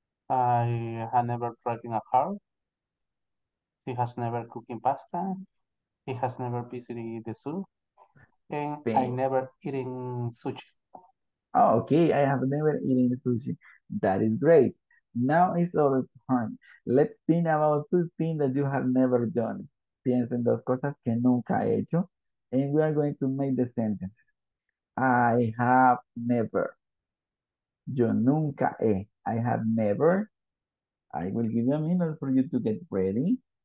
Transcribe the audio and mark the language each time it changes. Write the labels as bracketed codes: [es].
[en] I have never driven a car. He has never cooked pasta. He has never visited the zoo. And I never eaten sushi. Oh, okay, I have never eaten sushi. That is great. Now it's our turn. Let's think about two things that you have never done. [es] Piensa en dos cosas que nunca he hecho. [en] And we are going to make the sentences. I have never. [es] Yo nunca he. [en] I have never. I will give you a minute for you to get ready.